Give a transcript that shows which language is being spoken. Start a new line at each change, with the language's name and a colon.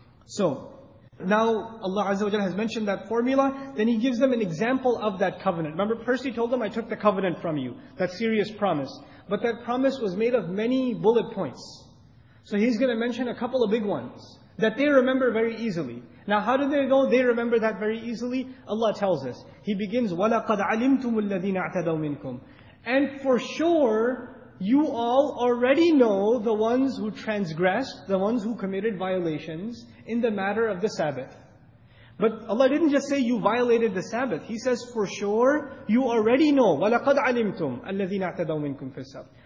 English: So, now Allah Azza wa Jalla has mentioned that formula, then He gives them an example of that covenant. Remember, Percy told them, I took the covenant from you, that serious promise. But that promise was made of many bullet points. So He's going to mention a couple of big ones that they remember very easily. Now how do they know they remember that very easily? Allah tells us.
Arabic: He begins, وَلَقَدْ عَلِمْتُمُ الَّذِينَ اَعْتَدَوْ مِنْكُمْ.
English: And for sure, you all already know the ones who transgressed, the ones who committed violations in the matter of the Sabbath. But Allah didn't just say you violated the Sabbath. He says, for sure, you already know.
Arabic: وَلَقَدْ عَلِمْتُمْ الَّذِينَ اَعْتَدَوْ مِنْكُمْ فِي السَّبْتِ.